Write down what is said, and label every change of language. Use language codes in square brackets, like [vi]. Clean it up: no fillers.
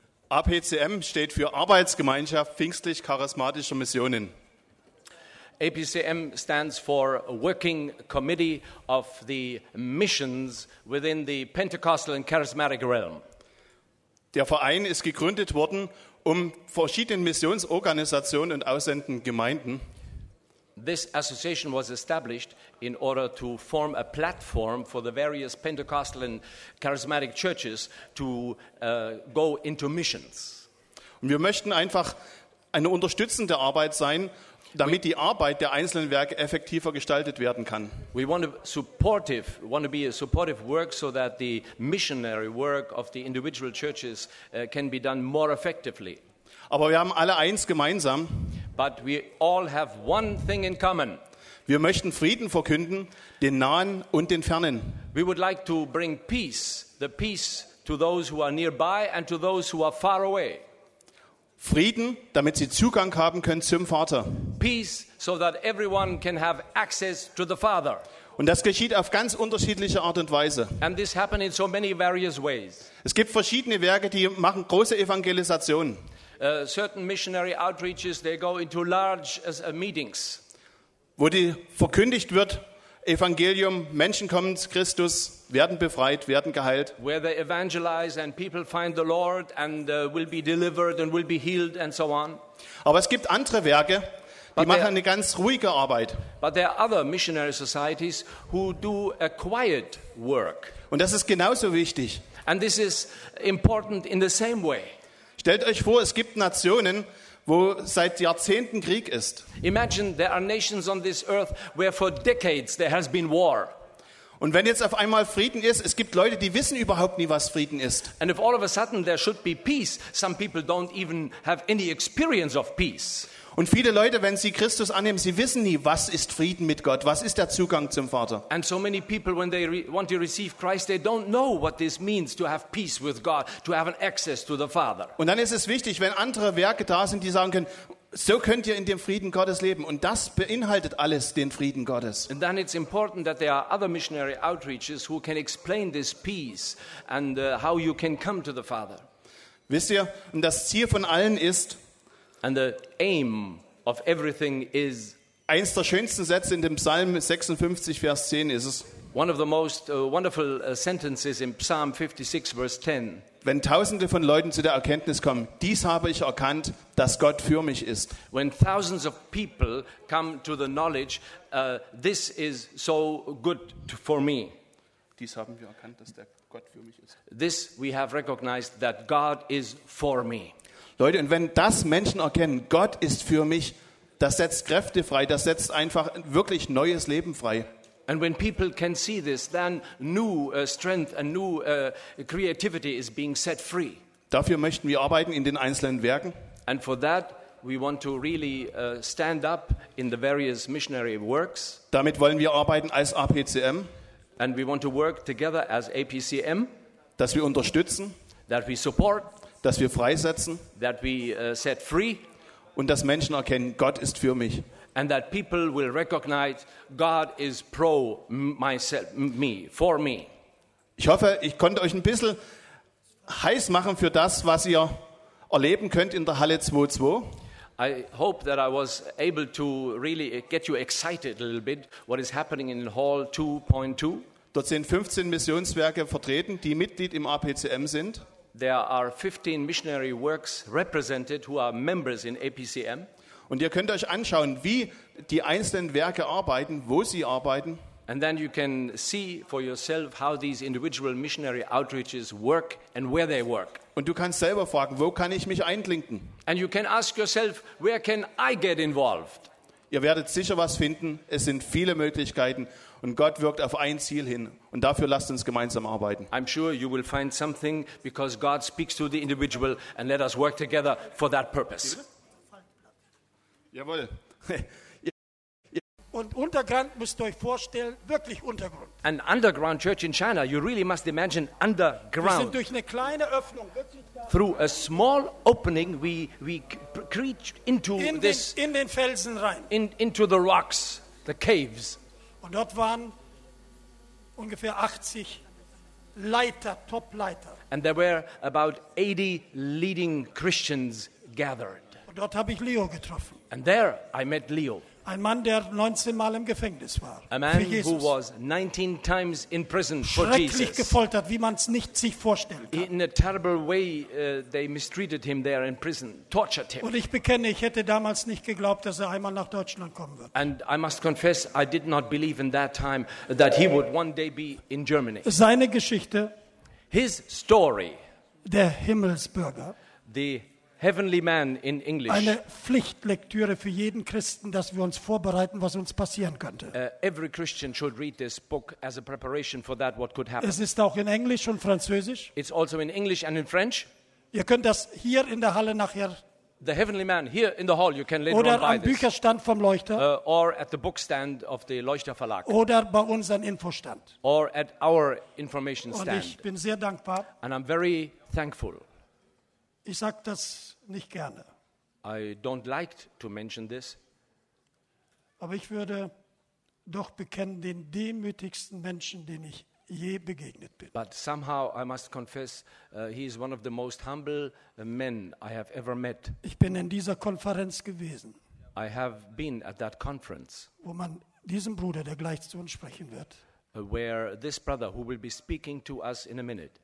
[de] APCM steht für Arbeitsgemeinschaft Pfingstlich-Charismatische Missionen. [en] APCM stands for Working Committee of the Missions within the Pentecostal and Charismatic Realm. [de] Der Verein ist gegründet worden, um verschiedenen Missionsorganisationen und aussendenden Gemeinden. [en] This association was established in order to form a platform for the various Pentecostal and Charismatic churches to go into missions. [de] Und wir möchten einfach eine unterstützende Arbeit sein, damit die Arbeit der einzelnen Werke effektiver gestaltet werden kann. [en] We want to be a supportive work so that the missionary work of the individual churches can be done more effectively. [de] Aber wir haben alle eins gemeinsam. [en] But we all have one thing in common. [de] Wir möchten Frieden verkünden, den Nahen und den Fernen. [en] We would like to bring peace, the peace to those who are nearby and to those who are far away. [de] Frieden, damit sie Zugang haben können zum Vater. [en] Peace, so that everyone can have access to the Father. [de] Und das geschieht auf ganz unterschiedliche Art und Weise. [en] And this happened in so many various ways. [de] Es gibt verschiedene Werke, die machen große Evangelisationen. [en] Certain missionary outreaches, they go into large meetings. [de] Wo die verkündigt wird, Evangelium, Menschen kommen zu Christus, werden befreit, werden geheilt. [en] Where they evangelize and people find the Lord and will be delivered and will be healed and so on. [de] Aber es gibt andere Werke, die machen eine ganz ruhige Arbeit. [en] But there are other missionary societies who do a quiet work. [de] Und das ist genauso wichtig. [en] And this is important in the same way. [de] Stellt euch vor, es gibt Nationen, wo seit Jahrzehnten Krieg ist. [en] Imagine there are nations on this earth where for decades there has been war. [de] Und wenn jetzt auf einmal Frieden ist, es gibt Leute, die wissen überhaupt nie, was Frieden ist. [en] And if all of a sudden there should be peace, some people don't even have any experience of peace. [de] Und viele Leute, wenn sie Christus annehmen, sie wissen nie, was ist Frieden mit Gott, was ist der Zugang zum Vater. [en] And so many people, when they want to receive Christ, they don't know what this means to have peace with God, to have an access to the Father. [de] Und dann ist es wichtig, wenn andere Werke da sind, die sagen können, so könnt ihr in dem Frieden Gottes leben. Und das beinhaltet alles den Frieden Gottes. [en] And then it's important that there are other missionary outreaches who can explain this peace and how you can come to the Father. [de] Wisst ihr, und das Ziel von allen ist, [en] and the aim of everything is [de] eins der schönsten Sätze in dem Psalm 56 Vers 10 ist es. [en] One of the most wonderful sentences in Psalm 56 verse 10. [de] Wenn tausende von Leuten zu der Erkenntnis kommen, dies habe ich erkannt, dass Gott für mich ist. [en] When thousands of people come to the knowledge this is so good for me. [de] Dies haben wir erkannt, dass der Gott für mich ist. [en] This we have recognized that God is for me. [de] Leute, und wenn das Menschen erkennen, Gott ist für mich, das setzt Kräfte frei, das setzt einfach wirklich neues Leben frei. [en] And when people can see this, then new strength and new creativity is being set free. [de] Dafür möchten wir arbeiten in den einzelnen Werken. [en] And for that we want to really stand up in the various missionary works. [de] Damit wollen wir arbeiten als APCM. [en] And we want to work together as APCM. [de] Dass wir unterstützen. [en] That we support. [de] Dass wir freisetzen, [en] that we set free, [de] und dass Menschen erkennen, Gott ist für mich. [en] And that people will recognize God is pro myself, me, for me. [de] Ich hoffe, ich konnte euch ein bisschen heiß machen für das, was ihr erleben könnt in der Halle 2.2. [en] I hope that I was able to really get you excited a little bit what is happening in Hall 2.2. [de] Dort sind 15 Missionswerke vertreten, die Mitglied im APCM sind. [en] There are 15 missionary works represented who are members in APCM. [de] Und ihr könnt euch anschauen, wie die einzelnen Werke arbeiten, wo sie arbeiten. [en] And then you can see for yourself how these individual missionary outreaches work and where they work. [de] Und du kannst selber fragen, wo kann ich mich einklinken? [en] And you can ask yourself, where can I get involved? [de] Ihr werdet sicher was finden. Es sind viele Möglichkeiten. Und Gott wirkt auf ein Ziel hin. Und dafür lasst uns gemeinsam arbeiten. [en] I'm sure you will find something because God speaks to the individual and let us work together for that purpose. [de] Jawohl. Und Untergrund müsst ihr euch vorstellen, wirklich Untergrund. [en] An underground church in China, you really must imagine underground. [de] Wir sind durch eine kleine Öffnung. [en] Through a small opening, we creep into [de] in den Felsen rein. [en] Into the rocks, the caves. [de] Und dort waren ungefähr 80 Leiter, Top-Leiter. [en] And there were about 80 leading Christians gathered. [de] Und dort habe ich Leo getroffen. [en] And there I met Leo. [de] Ein Mann, der 19 Mal im Gefängnis war. [en] A man who was 19 times in prison for Jesus. [de] Schrecklich gefoltert, wie man es nicht sich vorstellen kann. [en] In a terrible way they mistreated him there in prison, tortured him. [de] Und ich bekenne, ich hätte damals nicht geglaubt, dass er einmal nach Deutschland kommen wird. [en] And I must confess, I did not believe in that time that he would one day be in Germany. [de] Seine Geschichte. [en] His story. [de] Der Himmelsbürger. [en] The Heavenly Man in English. [de] Eine Pflichtlektüre für jeden Christen, dass wir uns vorbereiten, was uns passieren könnte. [en] Every Christian should read this book as a preparation for that what could happen. [de] Es ist auch in Englisch und Französisch. [en] It's also in English and in French. [de] Ihr könnt das hier in der Halle nachher. [en] The Heavenly Man here in the hall. You can later [de] oder [en] on buy this. [de] Oder am Bücherstand vom Leuchter. [en] Or at the bookstand of the Leuchter Verlag. [de] Oder bei unserem Infostand. [en] Or at our information stand. [de] Und ich bin sehr dankbar. [en] And I'm very thankful. [de] Ich sage das nicht gerne. [en] I don't like to mention this. [de] Aber ich würde doch bekennen, den demütigsten Menschen, den ich je begegnet bin. [en] But somehow I must confess, he is one of the most humble men I have ever met. [de] Ich bin in dieser Konferenz gewesen. [en] I have been at that conference. [de] Wo man diesem Bruder, der gleich zu uns sprechen wird, [en] where this brother who will be speaking to us in a minute,